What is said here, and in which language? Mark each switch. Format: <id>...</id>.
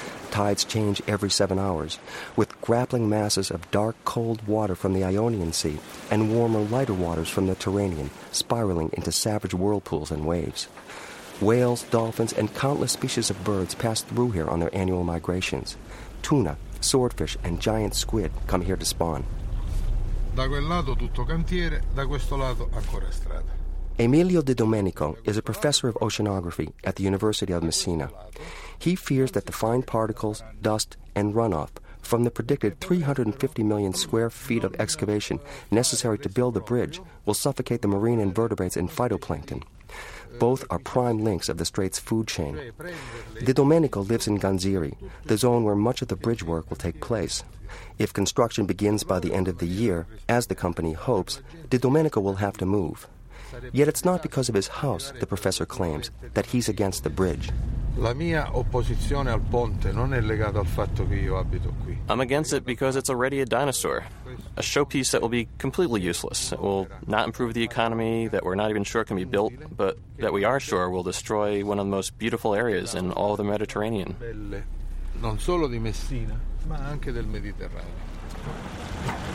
<en>Tides change every 7 hours, with grappling masses of dark, cold water from the Ionian Sea and warmer, lighter waters from the Tyrrhenian spiraling into savage whirlpools and waves. Whales, dolphins, and countless species of birds pass through here on their annual migrations. Tuna, swordfish and giant squid come here to spawn.</en> <it>Da quel lato tutto cantiere, da questo lato ancora strada.</it> <en>Emilio De Domenico is a professor of oceanography at the University of Messina. He fears that the fine particles, dust, and runoff from the predicted 350 million square feet of excavation necessary to build the bridge will suffocate the marine invertebrates and phytoplankton. Both are prime links of the Straits food chain. De Domenico lives in Ganziri, the zone where much of the bridge work will take place. If construction begins by the end of the year, as the company hopes, De Domenico will have to move. Yet it's not because of his house, the professor claims, that he's against the bridge.</en> <it>La mia opposizione al ponte non è legata al fatto che io abito qui.</it> <en>I'm against it because it's already a dinosaur, a showpiece that will be completely useless. It will not improve the economy, that we're not even sure can be built, but that we are sure will destroy one of the most beautiful areas in all of the Mediterranean.</en> <it>Non solo di Messina, ma anche del Mediterraneo.</it>